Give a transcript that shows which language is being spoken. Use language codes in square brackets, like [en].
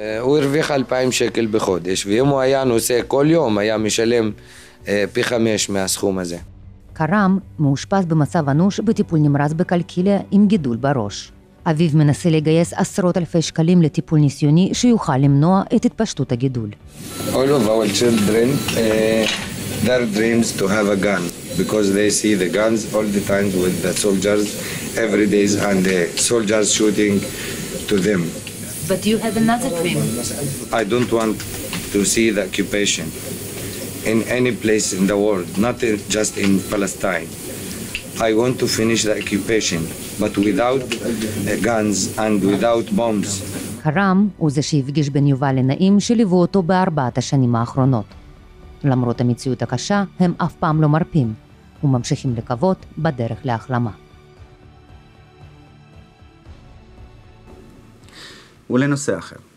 [he] הוא הרוויח 2,000 שקל בחודש, ואם הוא היה נוסע כל יום, היה משלם פי 5 מהסכום הזה. קרם מאושפז במצב אנוש בטיפול נמרץ בקלקיליה עם גידול בראש. אביו מנסה לגייס 10,000 שקלים לטיפול ניסיוני שיוכל למנוע את התפשטות הגידול. [en] All of our children, their dreams to have a gun, because they see the guns all the time with the soldiers, every day, and the soldiers shooting to them. But you have another dream. I don't want to see the occupation in any place in the world, not just in Palestine. I want to finish the occupation, but without guns and without bombs. [he] קרם הוא זה שהפגיש בין יובל לנעים שליוו אותו ב4 השנים האחרונות. למרות המציאות הקשה, הם אף פעם לא מרפים, וממשיכים לקוות בדרך להחלמה. ולנושא אחר.